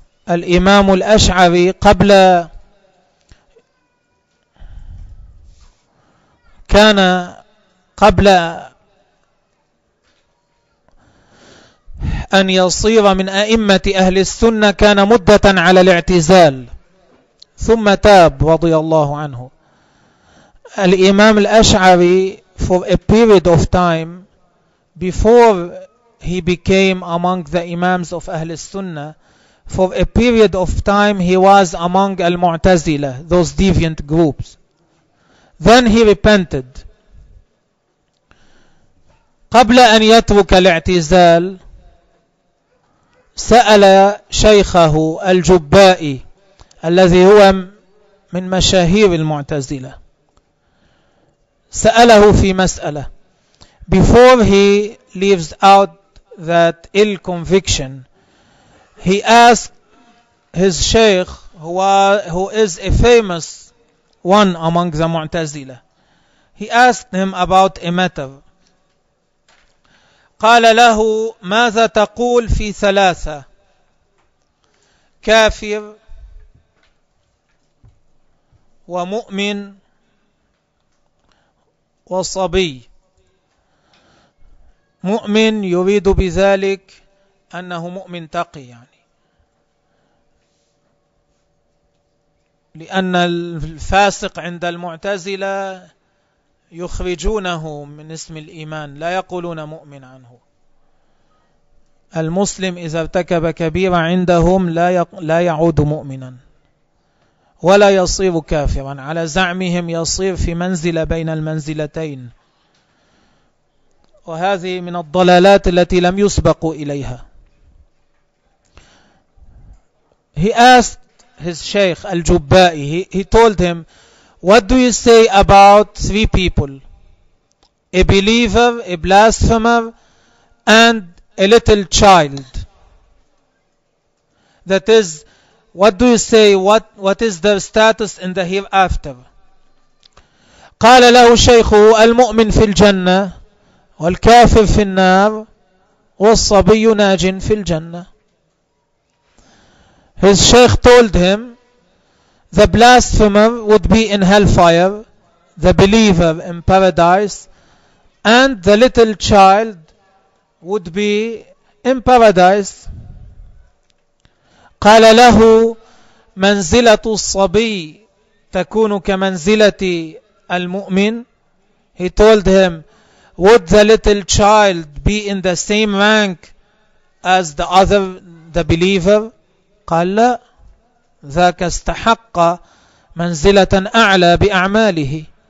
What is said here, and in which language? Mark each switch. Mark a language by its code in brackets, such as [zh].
[ar] الإمام الأشعري قبل كان قبل أن يصير من أئمة أهل السنة كان مدة على الاعتزال ثم تاب رضي الله عنه. [en] الإمام الأشعري for a period of time before he became among the Imams of أهل السنة for a period of time he was among المعتزلة those deviant groups. Then he repented. [ar] قبل أن يترك الاعتزال سأل شيخه الجبائي الذي هو من مشاهير المعتزلة سأله في مسألة [en] before he leaves out that ill conviction he asked his sheikh who is a famous one among the Mu'tazila. He asked him about a matter. [ar] قال له ماذا تقول في ثلاثة كافر ومؤمن وصبي. مؤمن يريد بذلك أنه مؤمن تقي يعني. لأن الفاسق عند المعتزلة يخرجونه من اسم الإيمان لا يقولون مؤمن عنه. المسلم إذا ارتكب كبيرة عندهم لا يعود مؤمنا ولا يصير كافرا على زعمهم يصير في منزلة بين المنزلتين وهذه من الضلالات التي لم يسبقوا إليها. [en] He asked his sheikh al-Jubba'i he told him what do you say about three people a believer a blasphemer and a little child that is what do you say what is their status in the hereafter. [ar] قال له شيخه المؤمن في الجنه والكافر في النار والصبي ناج في الجنة. [en] His sheikh told him, the blasphemer would be in hellfire, the believer in paradise, and the little child would be in paradise. [ar] قال له منزلة الصبي تكون كمنزلة المؤمن. [en] He told him, would the little child be in the same rank as the other, the believer? [ar] قال لا, ذاك استحق منزلة أعلى بأعماله.